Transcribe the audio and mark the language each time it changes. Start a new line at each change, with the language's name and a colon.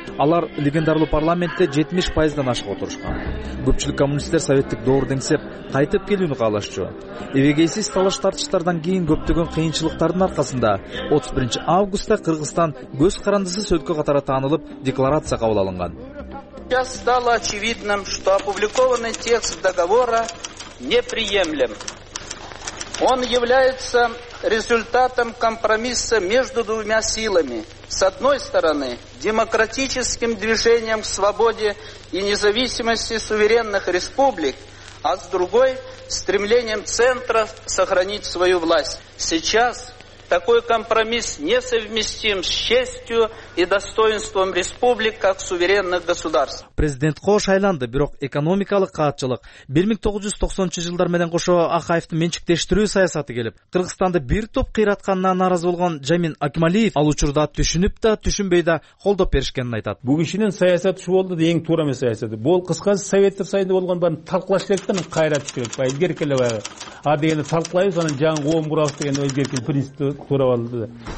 Kyrgyz: Алар легендарлуу парламентте 70% ашык отурушкан. Көпчүлүк коммунисттер советтик доор деңсеп кайтып келүүнү каалашчу. Эбегейсиз талаш тартыштардан кийин көптөгөн кыйынчылыктардын аркасында 31 августта Кыргызстан көз карандысыз өлкө катары таанылып декларация кабыл алынган.
Russian: Сейчас стало очевидным, что опубликованный текст договора неприемлем. Он является результатом компромисса между двумя силами. С одной стороны, демократическим движением к свободе и независимости суверенных республик, а с другой, стремлением центра сохранить свою власть. Сейчас такой компромисс несовместим с честью и достоинством республик как суверенных государств.
Kyrgyz: Президент кош айланды, бирок экономикалык каатчылык 1990-жылдар менен кошо Акаевдин менчиктештирүү саясаты келип, Кыргызстанды бир топ кыйратканына нааразы болгон Жамин Акмалиев ал учурда түшүнүп да, түшүнбөй да колдоп беришкенин айтат. Бүгүнчүнүн саясаты ушу болду, эң туура эмес саясаты. Бул кыскасы советтер сайында болгон баарын талкылаш керек да, кайра түшүнүп, эгерке эле баягы а дегенди талкылайбыз, анан жаңы коом курабыз деген өзгөртүү принцип туурап алды.